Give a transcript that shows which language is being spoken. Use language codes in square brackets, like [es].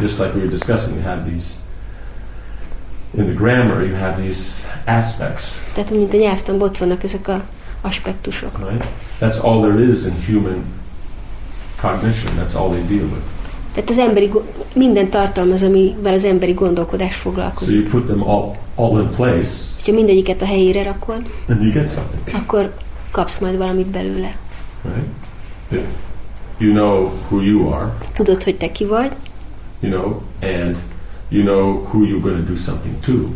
[en] Just like we were discussing, you have these in the grammar, you have these aspects. [hu] Tehát mint a nyelvtan, ott vannak ezek a aspektusok. [en] Right? That's all there is in human cognition. That's all they deal with. [hu] Tehát az emberi minden tartalmaz, amivel az emberi gondolkodás foglalkozik. [en] So you put them all in place. [hu] Hogyha mindegyiket a helyére rakod, [en] and you get something. [hu] Akkor kapsz majd valamit belőle. [en] Right? You know who you are. [hu] Tudod, hogy te ki vagy. [en] You know, and you know who you're going to do something to.